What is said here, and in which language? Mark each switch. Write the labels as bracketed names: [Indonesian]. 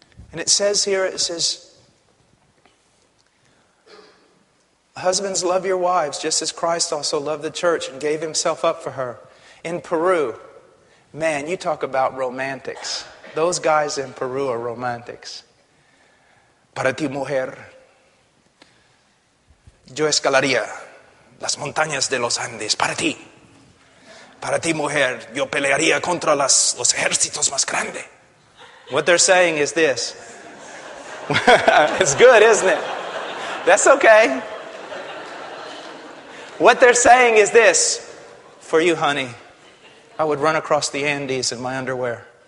[English] And it says here, it says, husbands, love your wives just as Christ also loved the church and gave himself up for her. In Peru, man, you talk about romantics. Those guys in Peru are romantics. [Spanish] Para ti, mujer, yo escalaría las montañas de los Andes. Para ti. Para ti, mujer, yo pelearía contra los ejércitos más grandes. [English] What they're saying is this. It's good, isn't it? That's okay. What they're saying is this: for you, honey, I would run across the Andes in my underwear.